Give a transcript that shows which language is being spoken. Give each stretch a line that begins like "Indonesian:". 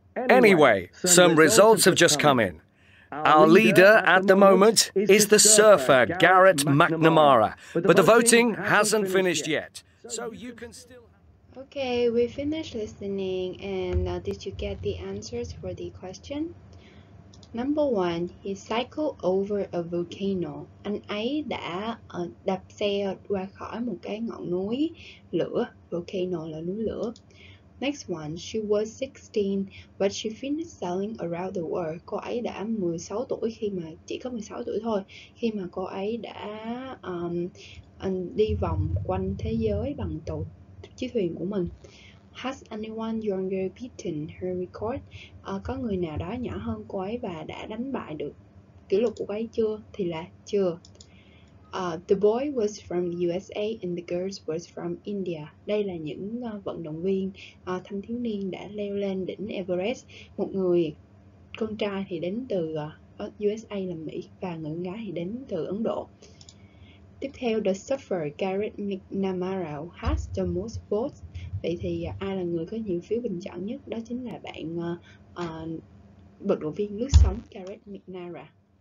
English: Anyway, some results have just come in. Our leader at the moment is the surfer Garrett McNamara, but the voting hasn't finished yet. So you can still. Okay, we finished listening, and did you get the answers for the question? Number 1, he cycled over a volcano.
Vietnamese: Anh ấy đã đạp xe qua khỏi một cái ngọn núi lửa. Volcano là núi lửa.
English: Next one, she was 16, but she finished sailing around the world.
Vietnamese: Cô ấy đã 16 tuổi khi mà, chỉ có 16 tuổi thôi, khi mà cô ấy đã đi vòng quanh thế giới bằng tàu chiến thuyền của mình.
English: Has anyone younger beaten her record?
Vietnamese: Có người nào đó nhỏ hơn cô ấy và đã đánh bại được kỷ lục của cô ấy chưa? Thì là chưa.
English: The boy was from USA and the girls was from India.
Vietnamese: Đây là những vận động viên thanh thiếu niên đã leo lên đỉnh Everest. Một người con trai thì đến từ USA là Mỹ và người gái thì đến từ Ấn Độ. Tiếp theo,
English: the surfer Garrett McNamara has the most votes.
Vietnamese: Vậy thì ai là người có nhiều phiếu bình chọn nhất? Đó chính là bạn vận động viên lướt sóng Garrett McNamara.